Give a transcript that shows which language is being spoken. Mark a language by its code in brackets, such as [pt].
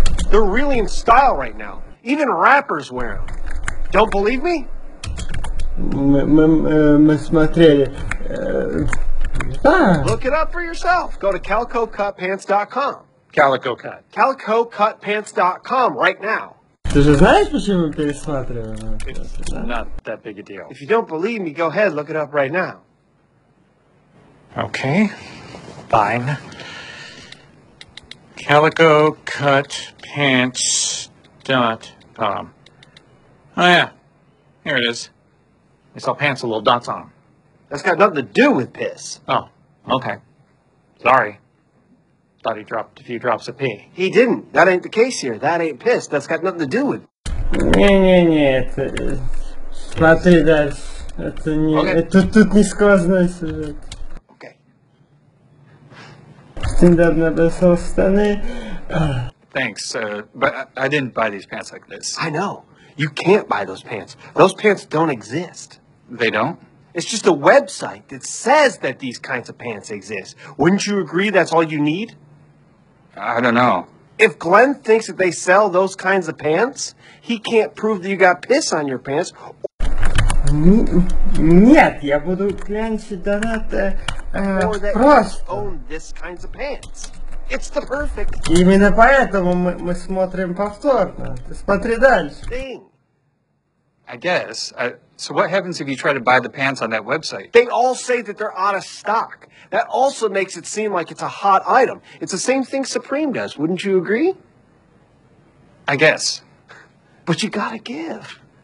[en] They're really in style right now. Even rappers wear them. Don't believe me? Look it up for yourself. Go to calicocutpants.com. Calicocutpants.com right now. [ru] Ты же знаешь, почему пересматриваем? [en] It's not that big a deal. If you don't believe me, go ahead, look it up right now. Okay, fine. Calicocutpants.com. Oh yeah, here it is. I saw pants with little dots on them. That's got nothing to do with piss. Oh, okay. Sorry. Thought he dropped a few drops of pee. He didn't. That ain't the case here. That ain't piss. That's got nothing to do with. [ru] Не-не-не, это... Смотри дальше. Это не... Okay. Тут не сквозной сюжет. [en] Okay. [ru] Стендап набросал штаны. [en] Thanks, but I didn't buy these pants like this. I know. You can't buy those pants. Those pants don't exist. They don't? It's just a website that says that these kinds of pants exist. Wouldn't you agree that's all you need? I don't know. If Glenn thinks that they sell those kinds of pants, he can't prove that you got piss on your pants. [ru] Нет, я буду клянчить донаты просто. [en] Own this kinds of pants. It's the perfect. [ru] Именно поэтому мы смотрим повторно. Ты смотри дальше. [en] I guess. So what happens if you try to buy the pants on that website? They all say that they're out of stock. That also makes it seem like it's a hot item. It's the same thing Supreme does, wouldn't you agree? I guess. But you gotta give.